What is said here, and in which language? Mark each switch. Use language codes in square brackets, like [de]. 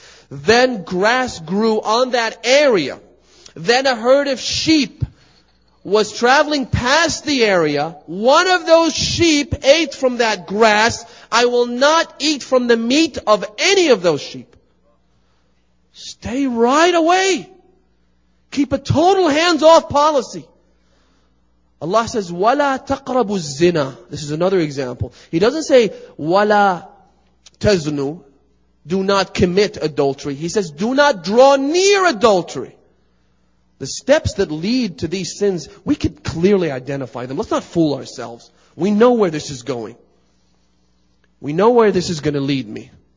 [en] Then grass grew on that area. Then a herd of sheep was traveling past the area. One of those sheep ate from that grass. I will not eat from the meat of any of those sheep. Stay right away. Keep a total hands-off policy. Allah says, [ar] وَلَا تَقْرَبُ الزِّنَا. [en] This is another example. He doesn't say, [ar] وَلَا تَزْنُ. [en] Do not commit adultery. He says, do not draw near adultery. The steps that lead to these sins, we could clearly identify them. Let's not fool ourselves. We know where this is going. We know where this is going to lead me.